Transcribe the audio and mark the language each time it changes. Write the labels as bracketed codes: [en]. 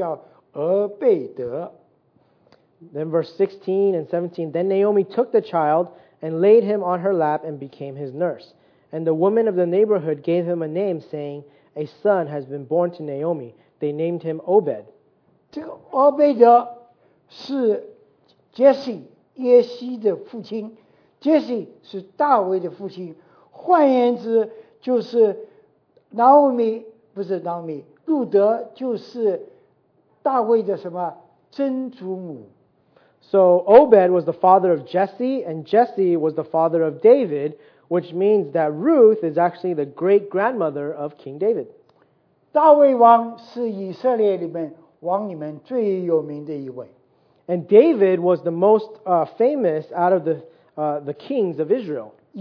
[zh] 第十六、十七节，拿俄米就把孩子抱到怀中，做他的养母。邻舍的妇人就说：“哎呀，这个孩子给他取名叫俄贝德。” [en] Then verse 16 and 17, Then Naomi took the child, and laid him on her lap and became his nurse. And the woman of the neighborhood gave him a name, saying, A son has been born to Naomi. They named him Obed. [zh] 这个Obed是Jesse，耶西的父亲。Jesse是大卫的父亲。换言之，就是Naomi，不是Naomi，路德就是大卫的什么曾祖母。 [en] So Obed was the father of Jesse, and Jesse was the father of David, which means that Ruth is actually the great-grandmother of King David. [zh] 大卫王是以色列里面王里面最有名的一位。 [en] And David was the most famous out of the kings of Israel.